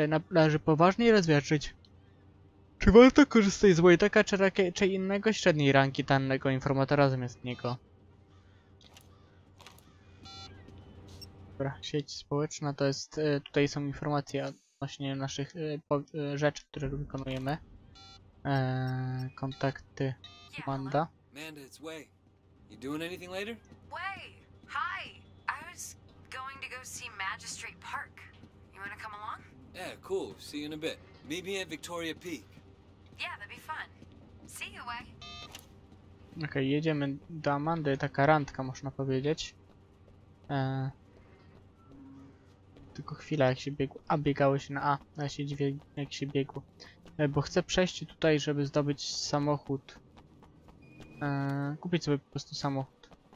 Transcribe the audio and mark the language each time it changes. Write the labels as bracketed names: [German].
[Polish] Należy poważnie rozważyć, czy warto korzystać z Whiteaka, czy innego średniej rangi dannego informatora zamiast niego. Dobra, sieć społeczna to jest, tutaj są informacje odnośnie naszych rzeczy, które wykonujemy. Kontakty z Manda. [English] Manda, it's Wei. You doing anything later? Wei, hi. I was going to go see Magistrate Park. You wanna come along? Yeah, cool. See you in a bit. Meet me at Victoria Peak. Yeah, that'd be fun. See you, Wei. [Polish] Okej, jedziemy do Amandy, taka randka można powiedzieć. Tylko chwila, jak się biegło. A, biegało się na A. Ja się dziwię, jak się biegło. Bo chcę przejść tutaj, żeby zdobyć samochód. Kupić sobie po prostu samochód.